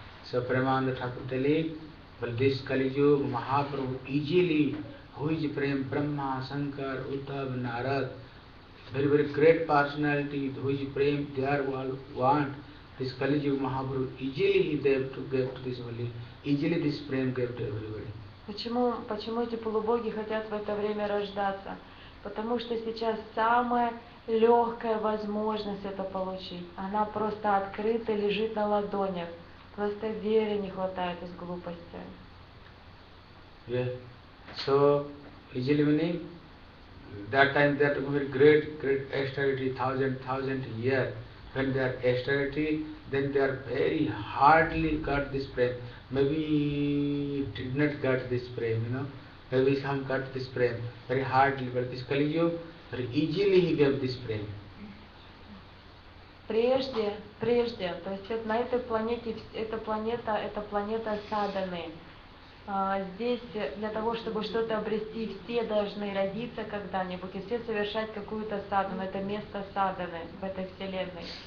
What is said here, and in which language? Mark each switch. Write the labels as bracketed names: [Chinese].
[English] So Premananda Thakur telling, well, this Kali Yuga, Mahaprabhu easily, who is Prem, Brahma, Shankar, Uddhav, Narad, very, very great personality, who is Prem, they are all want, this Kali Yuga, Mahaprabhu easily gave to this only, easily this Prem gave to everybody. [Russian] Почему эти полубоги хотят в это время рождаться? Потому что сейчас самое легкая возможность это получить. Она просто открыта, лежит на ладонях. Просто веры не хватает из глупости. [English] Yeah. So, easily meaning, that time they are talking about great austerity, thousand years. When they are austerity, then they are very hardly got this prem. Maybe did not get this prem, Maybe some got this prem, very hardly, but this Kali Yuga, easily he gave this prem. [Russian] Прежде, то есть на этой планете, эта планета саданы. Здесь для того, чтобы что-то обрести, все должны родиться когда-нибудь, и все совершать какую-то садану, это место саданы в этой вселенной.